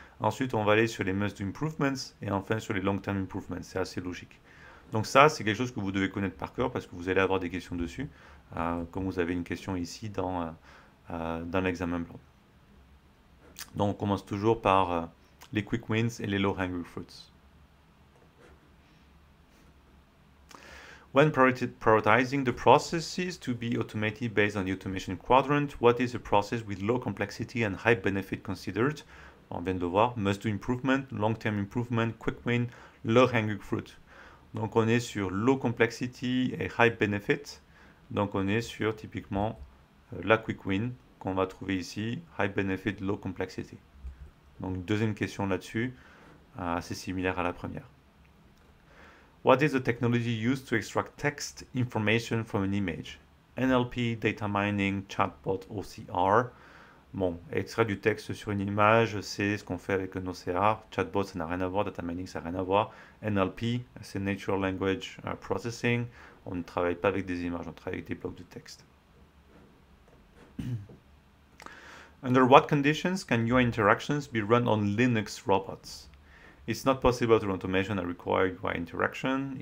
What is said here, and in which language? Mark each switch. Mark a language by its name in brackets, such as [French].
[French] Ensuite, on va aller sur les must-improvements et enfin sur les long-term improvements. C'est assez logique. Donc ça, c'est quelque chose que vous devez connaître par cœur parce que vous allez avoir des questions dessus, comme vous avez une question ici dans l'examen blanc. Donc on commence toujours par les quick wins et les low-hanging fruits. [English] When prioritizing the processes to be automated based on the automation quadrant, what is a process with low complexity and high benefit considered? [French] On vient de voir, must-do improvement, long-term improvement, quick win, low-hanging fruit. Donc on est sur low complexity et high benefit. Donc on est sur typiquement la quick win qu'on va trouver ici, high benefit, low complexity. Donc deuxième question là-dessus, assez similaire à la première. [English] What is the technology used to extract text information from an image? NLP, data mining, chatbot, OCR. [French] Bon, extraire du texte sur une image, c'est ce qu'on fait avec un OCR. Chatbot, ça n'a rien à voir. Data mining, ça n'a rien à voir. NLP, c'est Natural Language Processing. On ne travaille pas avec des images, on travaille avec des blocs de texte. [English] Under what conditions can your interactions be run on Linux robots? It's not possible to run automation that require UI interaction.